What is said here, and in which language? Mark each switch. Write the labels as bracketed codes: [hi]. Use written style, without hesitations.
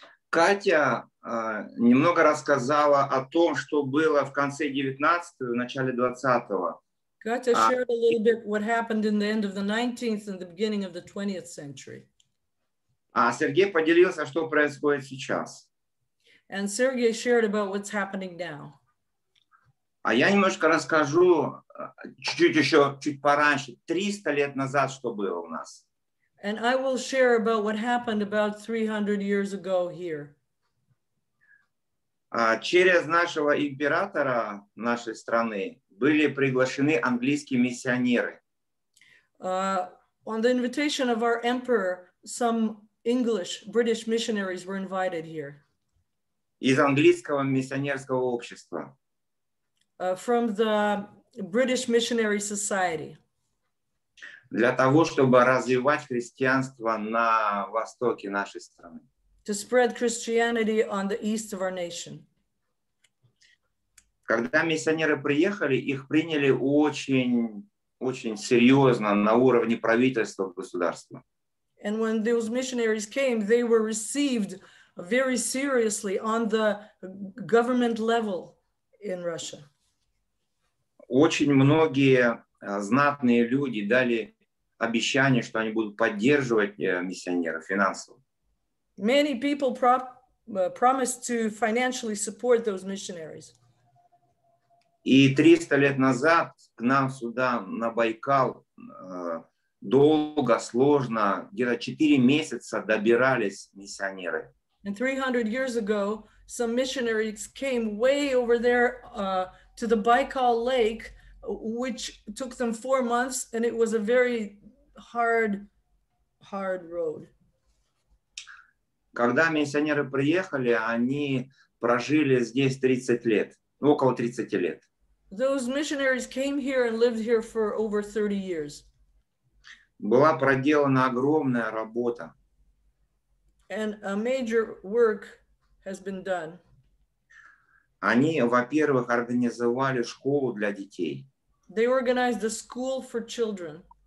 [ru] Катя немного рассказала о том, что было в конце 19-го, в начале 20-го. [en] Katya shared a little bit what happened in the end of the 19th and the beginning of the 20th century. [ru] А Сергей поделился, что происходит сейчас. [en] And Sergey shared about what's happening now. [ru] А я немножко расскажу чуть-чуть еще, чуть пораньше, 300 лет назад, что было у нас. [en] And I will share about what happened about 300 years ago here. [ru] Через нашего императора нашей страны были приглашены английские миссионеры. [en] On the invitation of our emperor, some English, British missionaries were invited here. [ru] Из английского миссионерского общества. [en] From the British Missionary Society. [ru] Для того, чтобы развивать христианство на востоке нашей страны. [en] To spread Christianity on the east of our nation. [ru] Когда миссионеры приехали, их приняли очень, очень серьезно на уровне правительства государства. [en] And when those missionaries came, they were received very seriously on the government level in Russia. [ru] Очень многие знатные люди дали обещание, что они будут поддерживать миссионеров финансово. [en] Many people promised to financially support those missionaries. [ru] И 300 лет назад к нам сюда, на Байкал, долго, сложно, где-то 4 месяца добирались миссионеры. [en] And 300 years ago, some missionaries came way over there to the Baikal Lake, which took them 4 months, and it was a very hard, hard road. [ru] Когда миссионеры приехали, они прожили здесь 30 лет, около 30 лет. [en] Those missionaries came here and lived here for over 30 years. [ru] Была проделана огромная работа. [en] And a major work has been done. [ru] Они, во-первых, организовали школу для детей. [en] They organized a school for children.